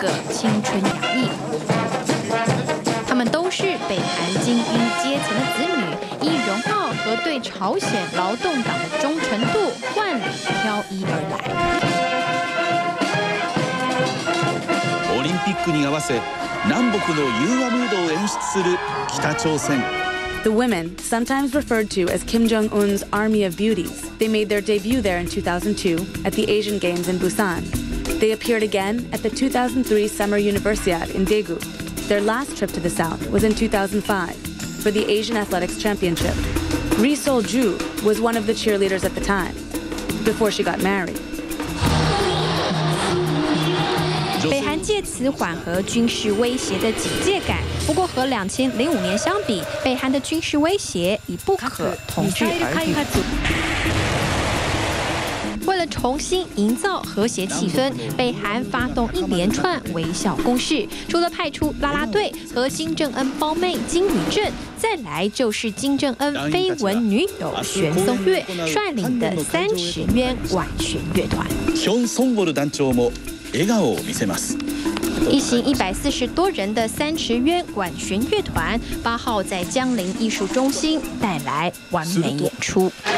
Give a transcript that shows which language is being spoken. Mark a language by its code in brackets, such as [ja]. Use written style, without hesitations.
[zh] 青春洋溢，他们都是北韩精英阶层的子女，以荣耀和对朝鲜劳动党的忠诚度万里挑一而来。 [ja] オリンピックに合わせ、南北の融和ムードを演出する北朝鮮。 [en] The women, sometimes referred to as Kim Jong-un's Army of Beauties, they made their debut there in 2002 at the Asian Games in Busan. They appeared again at the 2003 Summer Universiade in Daegu. Their last trip to the South was in 2005 for the Asian Athletics Championship. Ri Sol-ju was one of the cheerleaders at the time, before she got married. [zh] 北韩借此缓和军事威胁的警戒感。不过和2005年相比，北韩的军事威胁已不可同日而语。为了重新营造和谐气氛，北韩发动一连串微笑攻势，除了派出拉拉队和金正恩胞妹金宇镇，再来就是金正恩绯闻女友玄松月率领的30人管弦乐团。 [ja] 玄松月団長も笑顔を見せます。 [zh] 一行140多人的30人管弦乐团，8号在江陵艺术中心带来完美演出。